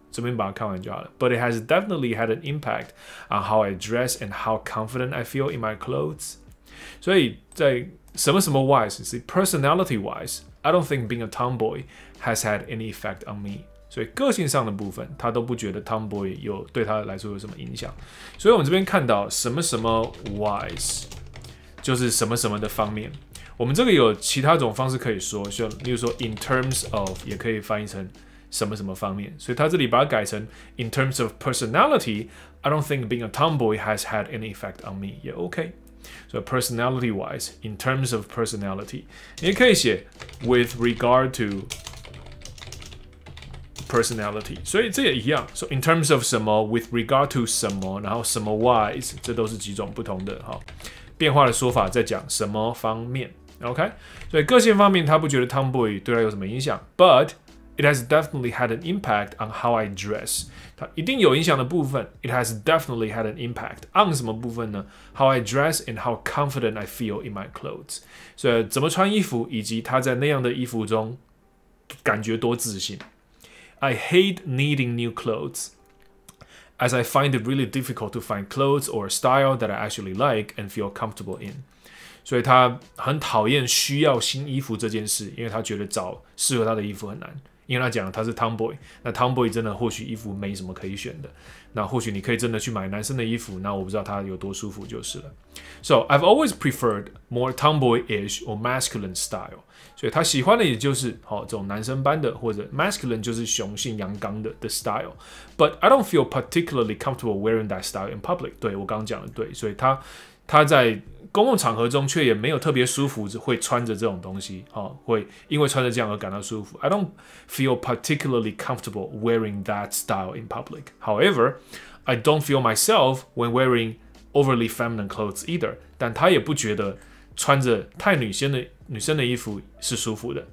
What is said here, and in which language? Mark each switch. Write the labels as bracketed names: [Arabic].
[Chinese] 这边把它看完就好了。 [English] But it has definitely had an impact on how I dress and how confident I feel in my clothes. [Chinese] 所以在什么什么 [English] wise， see personality wise， I don't think being a tomboy has had any effect on me. [Chinese] 所以个性上的部分，他都不觉得 tomboy 有对他来说有什么影响。所以我们这边看到什么什么 wise， 就是什么什么的方面。我们这个有其他种方式可以说，像例如说 in terms of， 也可以翻译成。什么什么方面，所以他这里把它改成 [English] in terms of personality， I don't think being a tomboy has had any effect on me， [Chinese] 也 OK。 [English] 所以 personality wise， in terms of personality， [Chinese] 你也可以写 [English] with regard to [Chinese] personality， 所以这也一样。 [English] So in terms of [Chinese] 什么 ， [English] with regard to [Chinese] 什么，然后什么 wise， 这都是几种不同的哈变化的说法，在讲什么方面。 OK， 所以个性方面，他不觉得 tomboy 对他有什么影响 ， [English] but it has definitely had an impact on how I dress。 [Chinese] 它一定有影响的部分。 [English] It has definitely had an impact on [Chinese] 什么部分呢 [English] ？How I dress and how confident I feel in my clothes。 [Chinese] 所以怎么穿衣服，以及他在那样的衣服中感觉多自信。 [English] I hate needing new clothes, as I find it really difficult to find clothes or style that I actually like and feel comfortable in. [Chinese] 所以他很讨厌需要新衣服这件事，因为他觉得找适合他的衣服很难。因为他讲他是 tomboy， 那 tomboy 真的或许衣服没什么可以选的。那或许你可以真的去买男生的衣服，那我不知道他有多舒服就是了。 [English] So I've always preferred more tomboyish or masculine style。 [Chinese] 所以他喜欢的也就是好、哦、这种男生般的，或者 masculine 就是雄性阳刚的 the style。 [English] But I don't feel particularly comfortable wearing that style in public。 [Chinese] 对，我刚讲的对，所以他在公共场合中却也没有特别舒服，会穿着这种东西，哈、哦，会因为穿着这样而感到舒服。 [English] I don't feel particularly comfortable wearing that style in public. However, I don't feel myself when wearing overly feminine clothes either. [Chinese] 但他也不觉得穿着太女生的衣服是舒服的。